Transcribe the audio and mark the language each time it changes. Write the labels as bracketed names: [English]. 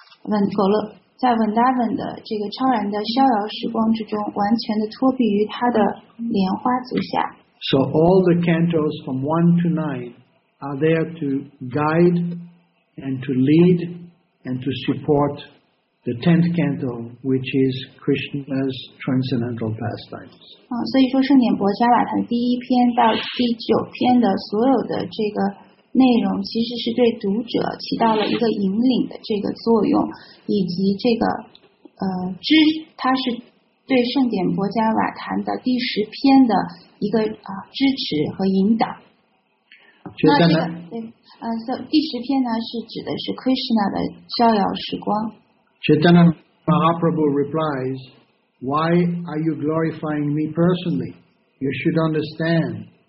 [English] So all the cantos from 1 to 9 are there to guide and to lead and to support the 10th canto, which is Krishna's transcendental pastimes. [Chinese] 所以说圣典博伽瓦坛第一篇到第九篇的所有的这个 内容其实是对读者起到了一个引领的这个作用，以及这个支，它是对圣典博伽瓦坛的第十篇的一个支持和引导。那这个，第十篇呢，是指的是 Krishna 的逍遥时光。Chaitanya [English] Mahaprabhu replies, Why are you glorifying me personally? You should understand